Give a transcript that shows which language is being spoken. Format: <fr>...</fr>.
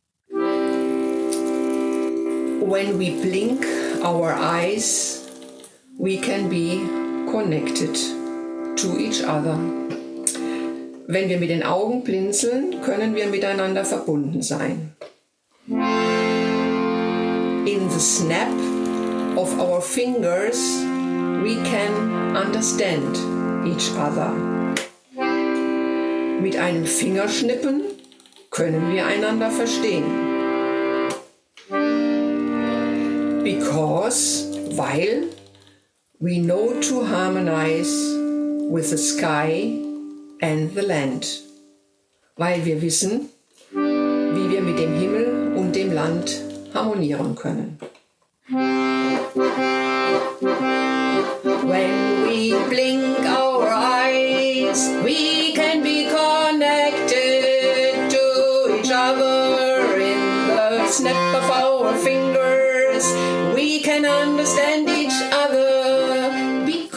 <en>When we blink our eyes, we can be connected to each other.</en> <de>Wenn wir mit den Augen blinzeln, können wir miteinander verbunden sein.</de> <en>In the snap of our fingers, we can understand each other.</en> <de>Mit einem Fingerschnippen können wir einander verstehen.</de> <en>Because, weil, we know to harmonize with the sky and the land.</en> <de>Weil wir wissen, wie wir mit dem Himmel und dem Land harmonieren können.</de> <en>When we blink our eyes, we can be connected to each other. In the snap of our fingers, we can understand each other.</en>